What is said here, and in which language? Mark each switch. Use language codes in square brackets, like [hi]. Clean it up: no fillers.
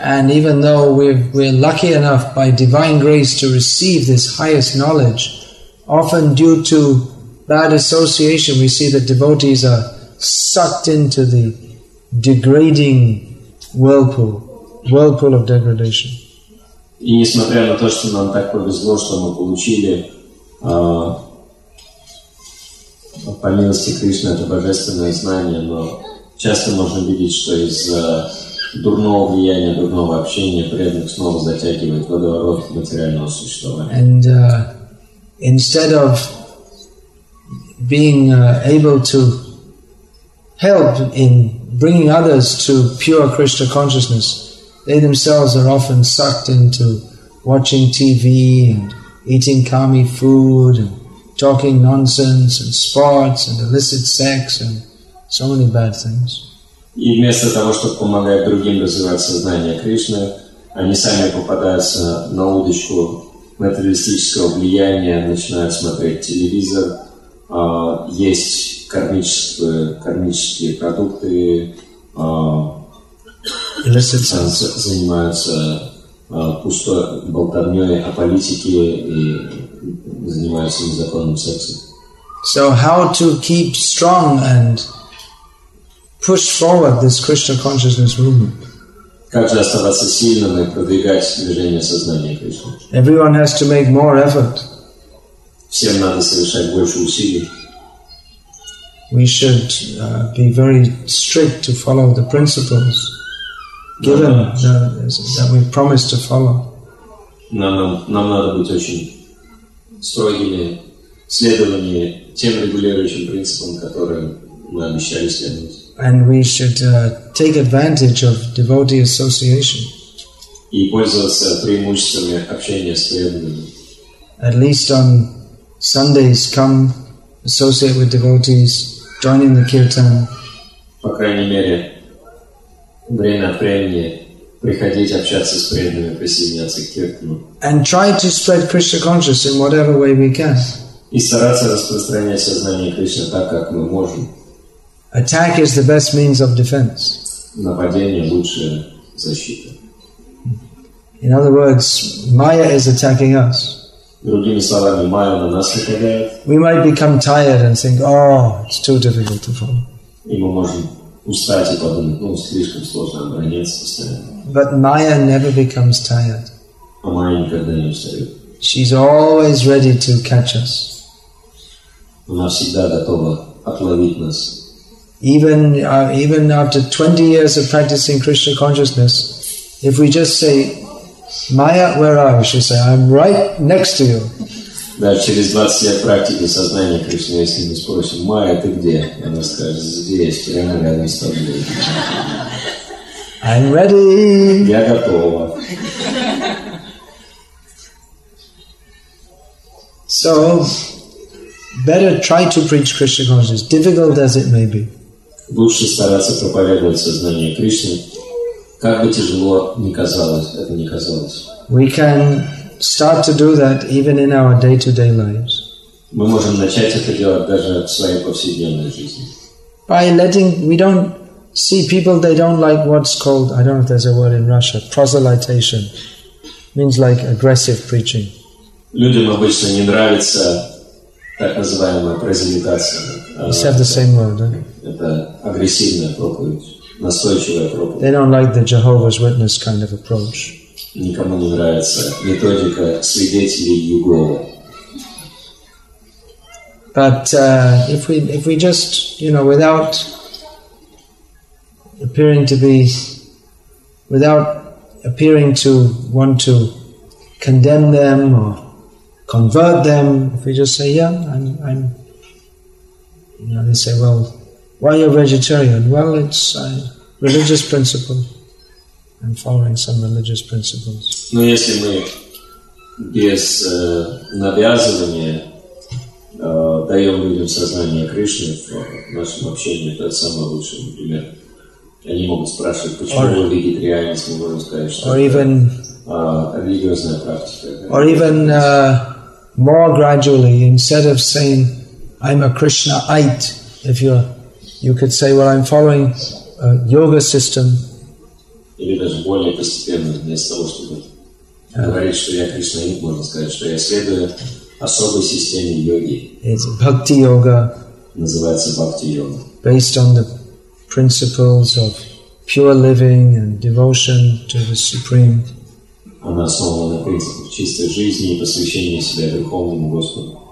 [en] And even though we're lucky enough by divine grace to receive this highest knowledge, often due to bad association, we see that devotees are sucked into the degrading whirlpool of degradation. [ru] И несмотря на то, что нам так повезло, что мы получили по милости Кришны это божественное знание, но часто можно видеть, что из-за дурного влияния, дурного общения преданных снова затягивает водоворот материального существования. [en] And instead of being able to help in bringing others to pure Krishna consciousness, they themselves are often sucked into watching TV and eating kami food and talking nonsense and sports and illicit sex and so many bad things. [ru] И вместо того, чтобы помогать другим развивать сознание Кришны, они сами попадаются на удочку материалистического влияния, начинают смотреть телевизор, есть кармические продукты, [en] illicit sex. [ru] Занимаются пустой болтовнёй о политике и занимаются незаконным сексом. [en] So how to keep strong and push forward this Krishna consciousness movement? [ru] Как же оставаться сильным и продвигать движение сознания Кришны? [en] Everyone has to make more effort. [ru] Всем надо совершать больше усилий. [en] We should be very strict to follow the principles given that we promised to follow. [ru] Нам надо быть очень строгими, следовать тем регулирующим принципам, которые мы обещали следовать. [en] And we should take advantage of devotee association. [ru] И пользоваться преимуществами общения с преданными. [en] At least on Sundays, come associate with devotees, join in the kirtan. [ru] По крайней мере, время от времени приходить общаться с преданными, присоединяться к киртану. [en] And try to spread Krishna consciousness in whatever way we can. [ru] И стараться распространять сознание Кришны так, как мы можем. [en] Attack is the best means of defense. [ru] Нападение лучшая защита. [en] In other words, Maya is attacking us. [ru] Другими словами, Maya на нас нападает. [en] We might become tired and think, "Oh, it's too difficult to follow." [ru] И мы можем устать и подумать, ну, слишком сложно обороняться постоянно. [en] But Maya never becomes tired. [ru] А Maya никогда не устает. [en] She's always ready to catch us. [ru] Она всегда готова отловить нас. [en] Even after 20 years of practicing Krishna consciousness, if we just say, "Maya, where are you?" she'll say, "I'm right next to you." [ru] Да, через 20 лет практики сознания Кришны, если мы спросим, "Maya, ты где?" она скажет, "Здесь, прямо рядом с тобой." [en] I'm ready. [ru] Я готова. [en] So, better try to preach Krishna consciousness, difficult as it may be. [ru] Лучше стараться проповедовать сознание Кришны, как бы тяжело ни казалось, это не казалось. [en] We can start to do that even in our day-to-day lives. [ru] Мы можем начать это делать даже в своей повседневной жизни. [en] By letting, we don't see people, they don't like what's called, I don't know if there's a word in Russia, proselytization. Means like aggressive preaching. [ru] Людям обычно не нравится так называемая прозелитация. [en] You have the same word, huh? [ru] Это агрессивная проповедь, настойчивая проповедь. [en] They don't like the Jehovah's Witness kind of approach. [ru] Никому не нравится методика свидетелей Иеговы. [en] But if we just, you know, without appearing to be, without appearing to want to condemn them or convert them, if we just say, yeah, they say, well, why are you a vegetarian? Well, it's a religious principle. I'm following some religious principles. [ru] Ну, если мы без навязывания даем людям сознание Кришны в нашем общении, это самое лучшее, например. Они могут спрашивать, почему вы вегетарианец, мы можем сказать, что это религиозная практика. [en] Or even more gradually, instead of saying, I'm a Krishnaite, if you could say, well, I'm following a yoga system. [ru] Или даже более постепенно, вместо того, чтобы говорить, что я Кришнаит, можно сказать, что я следую особой системе йоги. [en] It's bhakti yoga. [ru] Называется bhakti yoga. [en] Based on the principles of pure living and devotion to the Supreme. [ru] Она основана на принципах чистой жизни и посвящения себя Верховному Господу.